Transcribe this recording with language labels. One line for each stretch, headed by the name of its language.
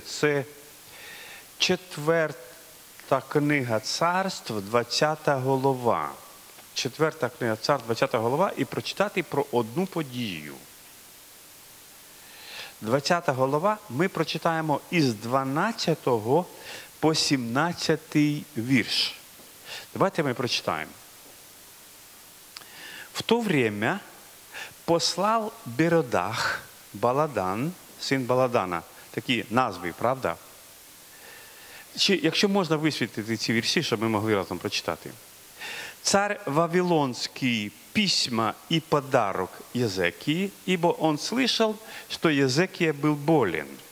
Ukrainian: Це 4 книга царств, 20 глава. 4 книга царств, 20 глава. І прочитати про одну подію. 20 глава. Ми прочитаємо із 12 по 17 вірш. Давайте ми прочитаємо.
Russian: В то время послал Беродах Баладан, син Баладана.
Ukrainian: Такі назви, правда? Чи, якщо можна висвітлити ці вірші, щоб ми могли разом прочитати. Цар Вавилонський письма і подарок Єзекії,
Russian: ібо он слышал,
Ukrainian: що Єзекія був болен.